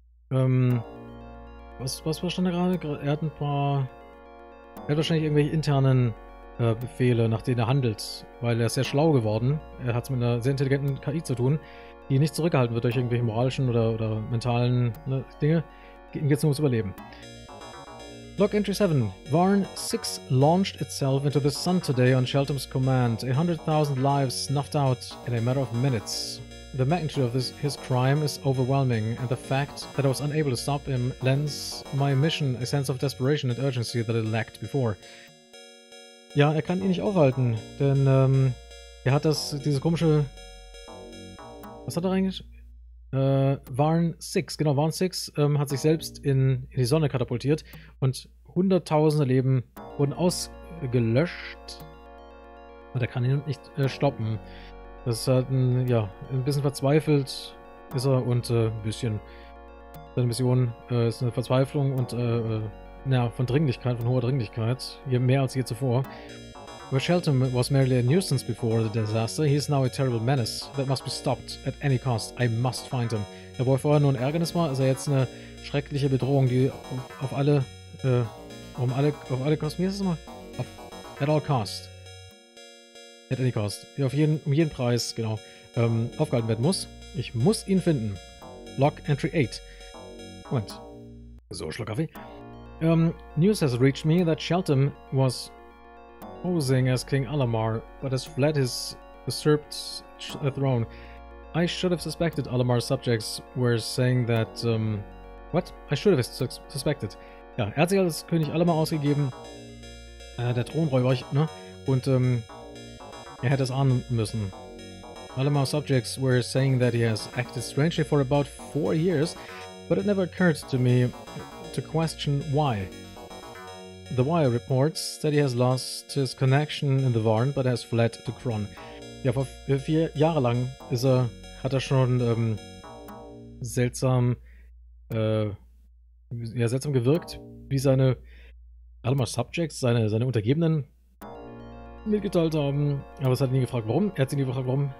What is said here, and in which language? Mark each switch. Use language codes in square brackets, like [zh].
[de] Was war schon da gerade? Er hat wahrscheinlich irgendwelche internen Befehle, nach denen er handelt, weil er ist sehr schlau geworden. Er hat es mit einer sehr intelligenten KI zu tun, die nicht zurückgehalten wird durch irgendwelche moralischen oder mentalen Dinge. Ihm geht es nur ums Überleben. [en] Log Entry 7. Varn 6 launched itself into the sun today on Shelton's command. 100,000 lives snuffed out in a matter of minutes. The magnitude of his crime is overwhelming, and the fact that I was unable to stop him lends my mission a sense of desperation and urgency that it lacked before. [de] Ja, er kann ihn nicht aufhalten, denn er hat diese komische. Was hat er eigentlich? Varn 6 hat sich selbst in die Sonne katapultiert und hunderttausende Leben wurden ausgelöscht. Und er kann ihn nicht stoppen. Das ist halt ein bisschen verzweifelt ist er und ein bisschen. Seine Mission ist eine Verzweiflung und von hoher Dringlichkeit, mehr als je zuvor. [en] Where Shelton was merely a nuisance before the disaster, he is now a terrible menace that must be stopped at any cost. I must find him. [de] Ja, wo er vorher nur ein Ärgernis war, ist er jetzt eine schreckliche Bedrohung, die auf jeden Preis aufgehalten werden muss. Ich muss ihn finden. [en] Log Entry 8. [de] Moment. So, Schluck Kaffee. [en] News has reached me that Shelton was posing as King Alamar, but has fled his usurped throne. I should have suspected Alamar's subjects were saying that, I should have suspected. [de] Ja, er hat sich als König Alamar ausgegeben, der Thronräuber, ne? Und, er hätte es ahnen müssen. [en] Alamar's subjects were saying that he has acted strangely for about 4 years, but it never occurred to me to question why. The Wire reports that he has lost his connection in the Varn, but has fled to Kron. [de] Ja, vor 4 Jahre lang hat er schon seltsam gewirkt, wie seine Alamar Subjects, seine Untergebenen mitgeteilt haben. Aber es hat ihn nie gefragt, warum. Er hat sie nie gefragt, warum.